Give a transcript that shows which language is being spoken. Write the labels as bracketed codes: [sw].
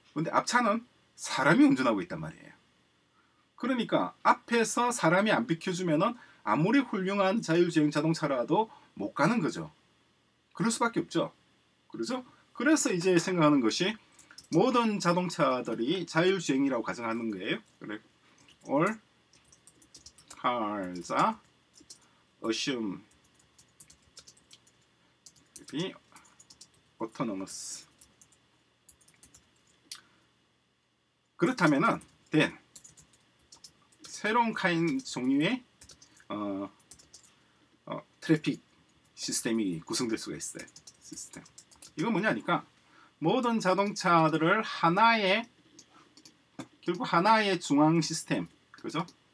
[ko] 근데 앞차는 사람이 운전하고 있단 말이에요. 그러니까 앞에서 사람이 안 비켜주면은 아무리 훌륭한 자율주행 자동차라도 못 가는 거죠. 그럴 수밖에 없죠. 그렇죠? 그래서 이제 생각하는 것이 모든 자동차들이 자율주행이라고 가정하는 거예요. 그래. [en] All cars are assumed to be autonomous. [ko] 그렇다면은 then 새로운 종류의 트래픽 시스템이 구성될 수가 있어요. 시스템. 이건 뭐냐니까 모든 자동차들을 결국 하나의 중앙 시스템. 그죠?